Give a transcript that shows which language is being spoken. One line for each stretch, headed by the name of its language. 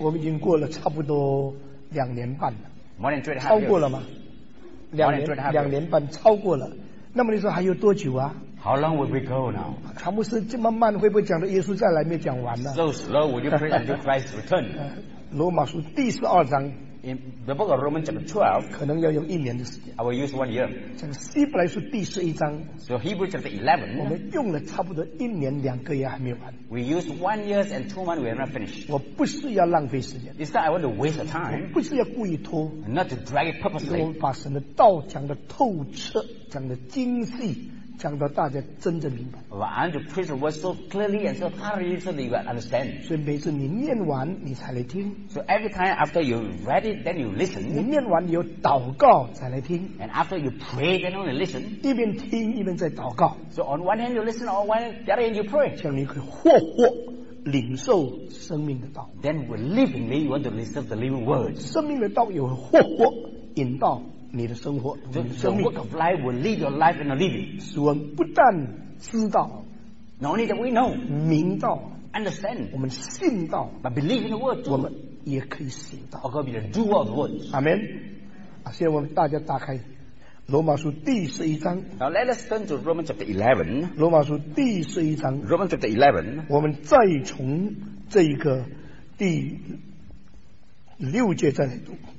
Chinese: 我们已经过了差不多两年半了。
English: More than 2.5 years.
Chinese: 超过了吗？两年半超过了。那么你说还有多久啊？
English: How long will we go now?
Chinese: 传牧师这么慢，会不会讲到耶稣再来没讲完呢
English: ？So slow, will you pray until Christ return?
Chinese: 罗马书第十二章
English: ，In the book of Romans chapter 12,
Chinese: 可能要用一年的时间。
English: I will use 1 year.
Chinese: 这个希伯来书第十一章
English: ，So Hebrews chapter 11,
Chinese: 我们用了差不多一年两个月还没完。
English: We use 1 year and 2 months, we are not finished.
Chinese: 我不是要浪费时间
English: ，It's not I want to waste the time.
Chinese: 不是要故意拖
English: ，Not to drag it purposely.
Chinese: 我把神的道讲得透彻，讲得精细。讲到大家真正明白。
English: Well, I want to preach the word so clearly and so thoroughly so that you will understand.
Chinese: 所以每次你念完，你才来听。
English: So every time after you read it, then you listen.
Chinese: 你念完，你有祷告才来听。
English: And after you pray, then only listen.
Chinese: 一边听一边在祷告。
English: So on one hand you listen, on one the other hand you pray.
Chinese: 这样你可以活活领受生命的道。
English: Then believingly you want to receive the living word.
Chinese: 生命的道也会活活引导。你的生活
English: the work of life will lead your life in a living
Chinese: 使我们不但知道
English: not only that we know
Chinese: 明道
English: understand
Chinese: 我们信道
English: but believe in the word
Chinese: 我们也可以行道
English: or could be the doer of the word
Chinese: Amen 现在我们大家打开罗马书第十一章
English: Now let us turn to Romans chapter 11
Chinese: 罗马书第十一章
English: Romans chapter 11
Chinese: 我们再从这一个第六节再来读